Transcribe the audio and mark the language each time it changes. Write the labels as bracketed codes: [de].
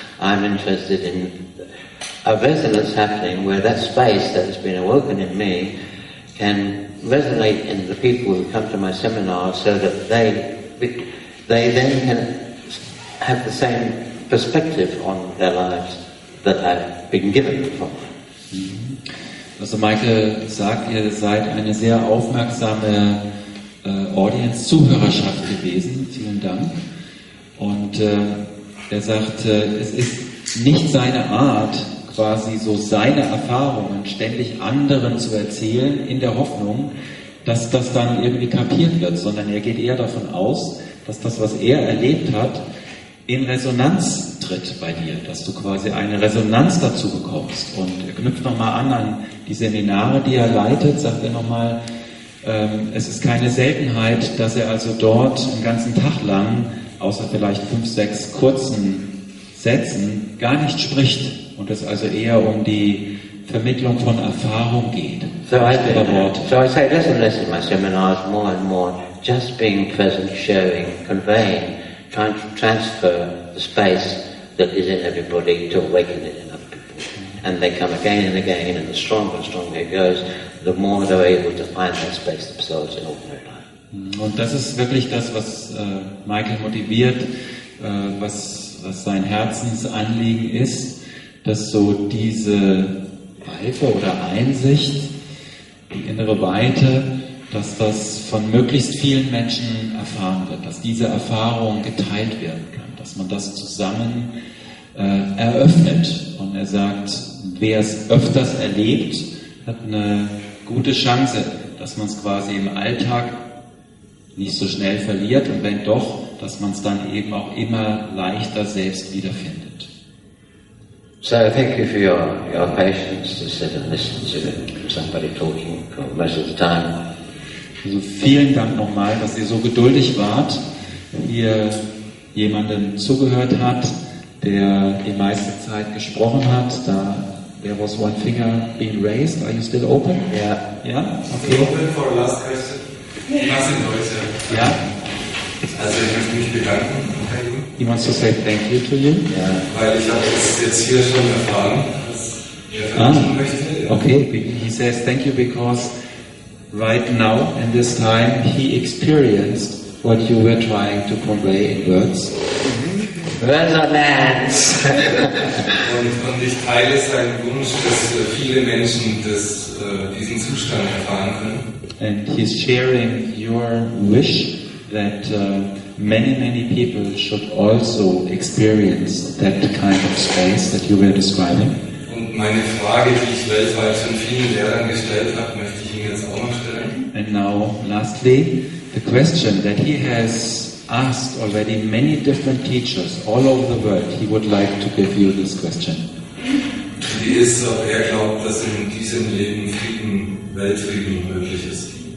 [en] I'm interested in a resonance happening where that space that has been awoken in me can resonate in the people who come to my seminar, so that they then can have the same perspective on their lives that I've been given from. [de] Also Michael sagt, ihr seid eine sehr aufmerksame Audience-Zuhörerschaft gewesen. Vielen Dank. Und er sagt, es ist nicht seine Art, quasi so seine Erfahrungen ständig anderen zu erzählen, in der Hoffnung, dass das dann irgendwie kapiert wird, sondern er geht eher davon aus, dass das, was er erlebt hat, in Resonanz tritt bei dir, dass du quasi eine Resonanz dazu bekommst. Und er knüpft nochmal an die Seminare, die er leitet, sagt er nochmal, es ist keine Seltenheit, dass er also dort den ganzen Tag lang, außer vielleicht 5, 6 kurzen Sätzen, gar nicht spricht und es also eher um die Vermittlung von Erfahrung geht. [en] So I say less and less in my seminars, more and more, just being present, sharing, conveying, trying to transfer the space that is in everybody to awaken it in other people. And they come again and again, and the stronger and stronger it goes, the more they're able to find that space themselves in ordinary life. [de] Und das ist wirklich das, was Michael motiviert, was sein Herzensanliegen ist, dass so diese Reife oder Einsicht, die innere Weite, dass das von möglichst vielen Menschen erfahren wird, dass diese Erfahrung geteilt werden kann, dass man das zusammen eröffnet. Und er sagt, wer es öfters erlebt, hat eine gute Chance, dass man es quasi im Alltag nicht so schnell verliert und wenn doch, dass man es dann eben auch immer leichter selbst wiederfindet. [en] So, thank you for your patience to sit and listen to somebody talking for most of the time. [de] Also vielen Dank nochmal, dass ihr so geduldig wart, ihr jemandem zugehört habt, der die meiste Zeit gesprochen hat. [en] Da, there was one finger being raised. Are you still open? Yeah. [de] Ja? [en] Okay. I'm open for the last question. [de] Was sind Leute? Ja? Also ich möchte mich bedanken. [en] You want to say thank you to you? Yeah. [de] Weil ich habe jetzt hier schon erfahren, was er möchte. [en] Okay, he says thank you because right now, in this time, he experienced what you were trying to convey in words. Resonance! [de] Und ich teile seinen Wunsch, dass viele Menschen diesen Zustand erfahren können. [en] And he's sharing your wish that many, many people should also experience that kind of space that you were describing. [de] Und meine Frage, die ich weltweit schon vielen Lehrern gestellt habe, möchte ich Ihnen jetzt auch noch stellen. [en] And now, lastly, the question that he has asked already many different teachers all over the world, he would like to give you this question. [de] Die ist, ob er glaubt, dass in diesem Leben Frieden, Weltfrieden möglich ist.